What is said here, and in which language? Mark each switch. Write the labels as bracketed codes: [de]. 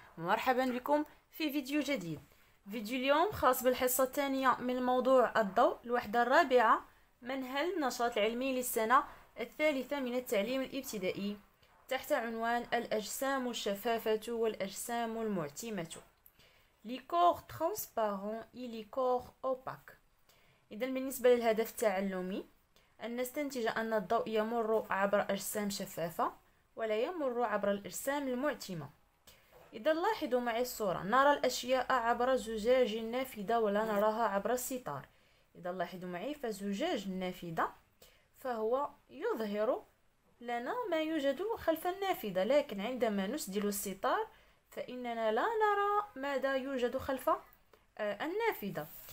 [ar] مرحبا بكم في فيديو جديد. فيديو اليوم خاص بالحصة الثانية من موضوع الضوء، الوحدة الرابعة من هل النشاط العلمي للسنة الثالثة من التعليم الابتدائي تحت عنوان الأجسام الشفافة والأجسام المعتمة. [fr] Les corps transparents et les corps opaques. [ar] إذن بالنسبة للهدف التعلمي، أن نستنتج أن الضوء يمر عبر أجسام شفافة ولا يمر عبر الأجسام المعتمة. إذا لاحظوا معي الصورة، نرى الأشياء عبر زجاج النافذة ولا نراها عبر الستار. إذا لاحظوا معي، فزجاج النافذة فهو يظهر لنا ما يوجد خلف النافذة، لكن عندما نسدل الستار فإننا لا نرى ماذا يوجد خلف النافذة.